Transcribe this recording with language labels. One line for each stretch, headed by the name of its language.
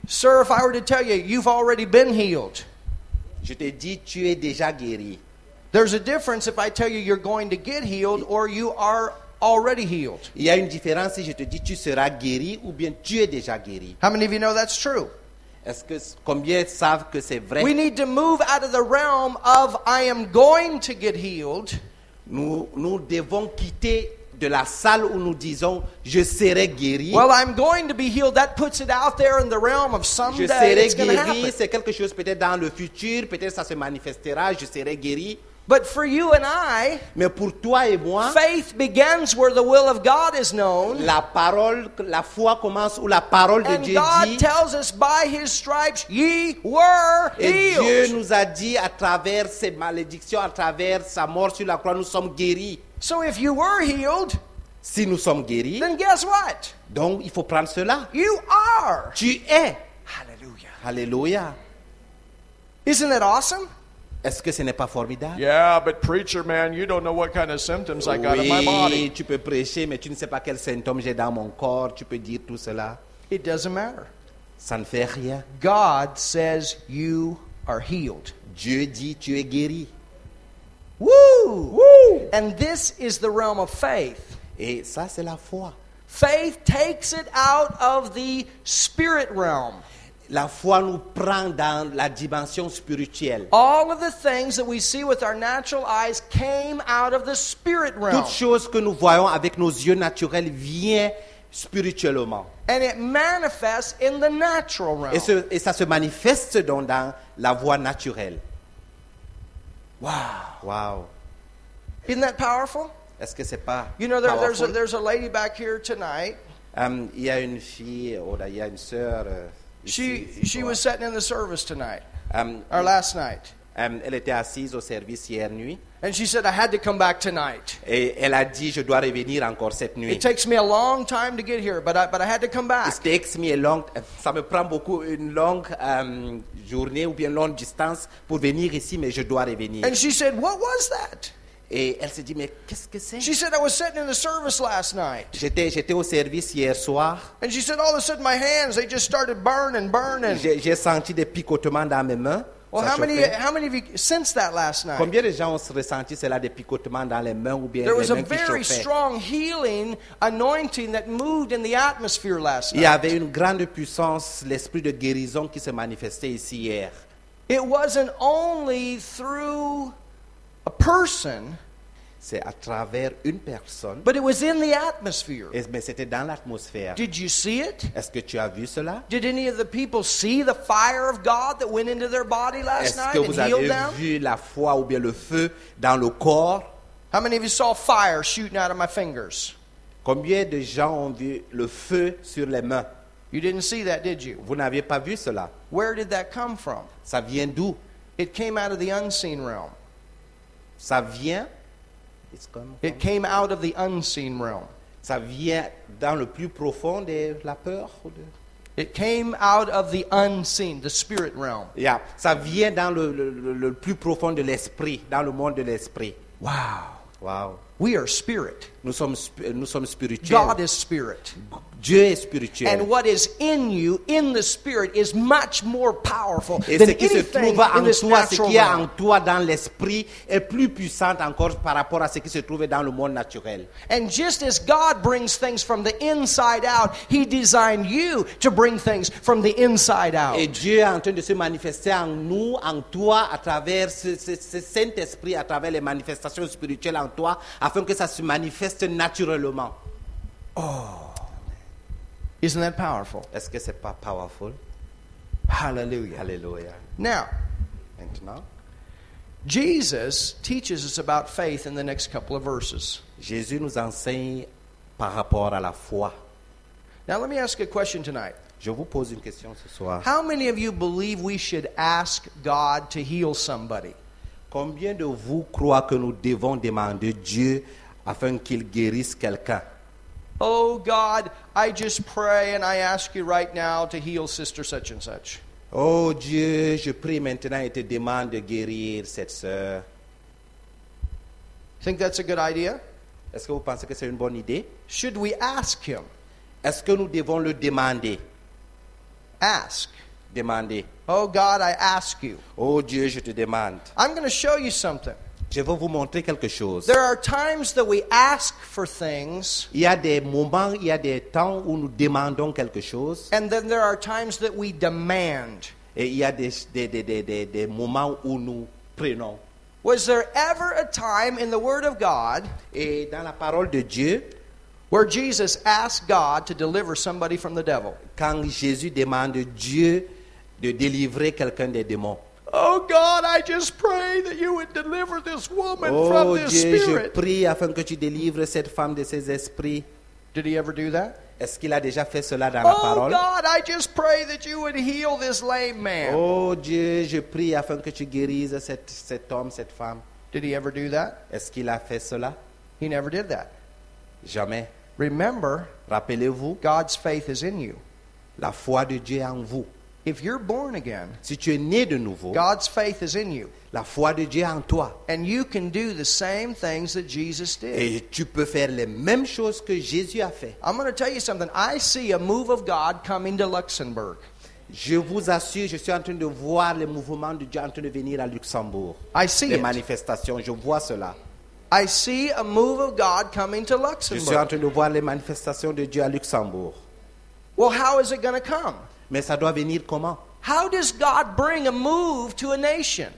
English: Sir, if I were to tell you, you've already been healed.
French: Je te dis tu es déjà guéri.
English: There's a difference if I tell you you're going to get healed or you are already healed.
French: Il y a une différence si je te dis tu seras guéri ou bien tu es déjà guéri.
English: How many of you know that's true?
French: Est-ce que combien savent que c'est vrai?
English: We need to move out of the realm of I am going to get healed.
French: Nous devons quitter de la salle où nous disons je serai guéri.
English: Well, I'm going to be healed. That puts it out there in the realm of someday.
French: Je serai guéri. C'est quelque chose peut-être dans le futur. Peut-être ça se manifestera. Je serai guéri.
English: But for you and I,
French: mais pour toi et moi,
English: faith begins where the will of God is known.
French: La parole, la foi commence où la parole de Dieu
English: God
French: dit.
English: And God tells us by His stripes ye were
French: et
English: healed.
French: Et Dieu nous a dit à travers ses malédictions, à travers sa mort sur la croix, nous sommes guéris.
English: So if you were healed,
French: si nous sommes guéris,
English: then guess what?
French: Donc il faut prendre cela.
English: You are.
French: Tu es. Hallelujah. Hallelujah.
English: Isn't that awesome?
French: Est-ce que ce n'est pas formidable?
English: Yeah, but preacher man, you don't know what kind of symptoms
French: oui,
English: I got in my body.
French: Tu peux prêcher, mais tu ne sais pas quels symptômes j'ai dans mon corps. Tu peux dire tout cela.
English: It doesn't matter.
French: Ça ne fait rien.
English: God says you are healed.
French: Dieu dit tu es guéri. Woo! Woo!
English: And this is the realm of faith.
French: Et ça c'est la foi.
English: Faith takes it out of the spirit realm.
French: La foi nous prend dans la dimension spirituelle.
English: All of the things that we see with our natural eyes came out of the spirit realm.
French: Toute chose que nous voyons avec nos yeux naturels vient spirituellement.
English: And it manifests in the natural realm.
French: Et ça se manifeste donc dans la voie naturelle. Wow. Wow.
English: Isn't that powerful?
French: Est-ce que c'est pas
English: you know, there's a lady back here tonight.
French: Il y a une fille, ou il y a une sœur...
English: She was sitting in the service tonight, or last night.
French: Elle était assise au service hier nuit.
English: And she said, I had to come back tonight.
French: Et elle a dit, je dois revenir encore cette nuit.
English: It takes me a long time to get here, but I had to come back. It takes me a long,
French: ça me prend beaucoup une longue journée ou bien longue distance pour venir ici, mais je dois revenir.
English: And she said, what was that?
French: Et elle s'est dit, mais qu'est-ce que c'est?
English: She said, I was sitting in the service last night.
French: J'étais au service hier soir.
English: And she said, all of a sudden, my hands, they just started burning.
French: J'ai senti des picotements dans mes mains.
English: Well, how many of you sensed that last night?
French: Combien de gens ont ressenti cela, des picotements dans les mains ou bien
English: there
French: les mains qui chauffaient?
English: There was a very strong healing anointing that moved in the atmosphere last night.
French: Il y avait une grande puissance, l'esprit de guérison qui se manifestait ici hier.
English: It wasn't only through... A person,
French: C'est à travers une personne.
English: But it was in the atmosphere.
French: Mais c'était dans l'atmosphère.
English: Did you see it?
French: Est-ce que tu as vu cela?
English: Did any of the people see the fire of God that went into their body last
French: Est-ce
English: night
French: que vous
English: and
French: avez
English: healed them?
French: Vu la foi ou bien le feu dans le corps?
English: How many of you saw fire shooting out of my fingers?
French: Combien de gens ont vu le feu sur les mains?
English: You didn't see that, did you?
French: Vous n'aviez pas vu cela.
English: Where did that come from?
French: Ça vient d'où?
English: It came out of the unseen realm.
French: Ça vient.
English: It came out of the unseen realm.
French: Ça vient dans le plus profond de la peur.
English: It came out of the unseen, the spirit realm.
French: Yeah, ça vient dans le plus profond de l'esprit, dans le monde de l'esprit. Wow. Wow.
English: We are spirit.
French: Nous sommes spirituels.
English: God is spirit.
French: Dieu est spirituel.
English: And what is in you, in the spirit, is much more powerful
French: Et
English: than
French: ce qui
English: anything
French: se trouve en
English: in
French: toi, ce qui est en toi dans l'esprit est plus puissant encore par rapport à ce qui se trouve dans le monde naturel.
English: And just as God brings things from the inside out, He designed you to bring things from the inside out.
French: Et Dieu est en train de se manifester en nous, en toi, à travers ce Saint-Esprit, à travers les manifestations spirituelles en toi, afin que ça se manifeste naturellement.
English: Oh. Isn't that powerful?
French: Est-ce que c'est pas powerful? Hallelujah. Hallelujah.
English: Now,
French: maintenant,
English: Jesus teaches us about faith in the next couple of verses.
French: Jésus nous enseigne par rapport à la foi.
English: Now, let me ask a question tonight.
French: Je vous pose une question ce soir.
English: How many of you believe we should ask God to heal somebody?
French: Combien de vous croient que nous devons demander Dieu afin qu'il guérisse quelqu'un?
English: Oh God, I just pray and I ask you right now to heal sister such and such.
French: Oh Dieu, je prie maintenant et te demande de guérir cette sœur.
English: Think that's a good idea?
French: Est-ce que vous pensez que c'est une bonne idée?
English: Should we ask him?
French: Est-ce que nous devons le demander?
English: Ask.
French: Demander.
English: Oh God, I ask you.
French: Oh Dieu, je te demande.
English: I'm going to show you something.
French: Je vais vous montrer quelque chose.
English: There are times that we ask for things.
French: Il y a des moments, il y a des temps où nous demandons quelque chose.
English: And then there are times that we demand.
French: Et il y a des moments où nous prenons.
English: Was there ever a time in the Word of God?
French: Et dans la parole de Dieu,
English: where Jesus asked God to deliver somebody from the devil?
French: Quand Jésus demande Dieu de délivrer quelqu'un des démons.
English: Oh God, I just pray that you would deliver this woman oh, from this
French: Dieu,
English: spirit.
French: Oh Dieu, je prie afin que tu délivres cette femme de ses esprits.
English: Did he ever do that?
French: Est-ce qu'il a déjà fait cela dans oh, la parole?
English: Oh God, I just pray that you would heal this lame man.
French: Oh Dieu, je prie afin que tu guérisses cet homme, cette femme.
English: Did he ever do that?
French: Est-ce qu'il a fait cela?
English: He never did that.
French: Jamais.
English: Remember,
French: rappelez-vous,
English: God's faith is in you.
French: La foi de Dieu est en vous.
English: If you're born again,
French: si tu es né de nouveau,
English: God's faith is in you.
French: La foi de Dieu est en toi.
English: And you can do the same things that Jesus did.
French: Et tu peux faire les mêmes choses que Jésus a fait.
English: I'm going to tell you something. I see a move of God coming to Luxembourg.
French: Je vous assure, je suis en train de voir les mouvements de Dieu en train de venir à Luxembourg.
English: I see
French: les manifestations, je vois cela.
English: I see a move of God coming to Luxembourg.
French: Je suis en train de voir les manifestations de Dieu à Luxembourg.
English: Well, how is it going to come?
French: Mais ça doit venir comment?
English: How does God bring a move to a nation?